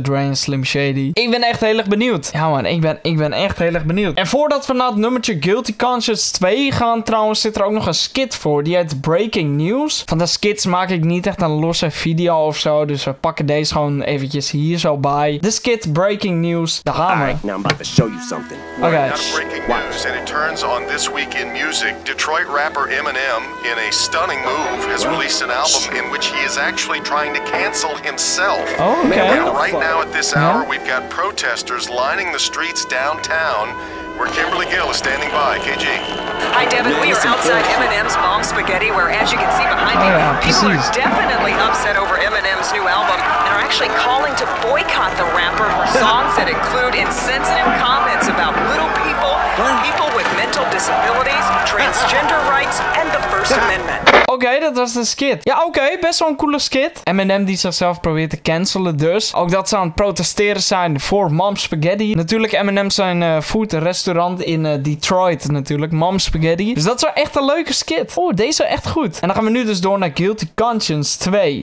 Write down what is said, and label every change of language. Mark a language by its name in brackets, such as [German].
[Dutch] Dre en Slim Shady. Ik ben echt heel erg benieuwd. Ja man, ik ben echt heel erg benieuwd. En voordat we naar het nummertje Guilty Conscience 2 gaan, trouwens zit er ook nog een skit voor. Die heet Breaking News. Van de skits maak ik niet echt een losse video of zo. Dus we pakken deze gewoon eventjes hier zo bij. De skit Breaking News. De hamer. [English] Alright, now I'm about to show you something. Okay. Not breaking news. And it turns on this week in music, Detroit rapper Eminem, in a stunning move, has released an album in which he is actually trying to cancel himself. Okay. And right now at this hour, we've got protesters lining the streets downtown, where Kimberly Gill is standing by. KG. Hi, Devin. We are outside Eminem's Mom Spaghetti, where, as you can see behind me, people are definitely upset over Eminem's new album and are actually calling to boycott the rapper for songs that include insensitive comments about little people, people with mental disabilities, transgender rights, and the First Amendment. [Dutch] Oké, dat was de skit. Ja, oké, best wel een coole skit. Eminem die zichzelf probeert te cancelen dus. Ook dat ze aan het protesteren zijn voor Mom's Spaghetti. Natuurlijk, Eminem zijn food restaurant in Detroit natuurlijk. Mom's Spaghetti. Dus dat is wel echt een leuke skit. Oh, deze echt goed. En dan gaan we nu dus door naar Guilty Conscience 2.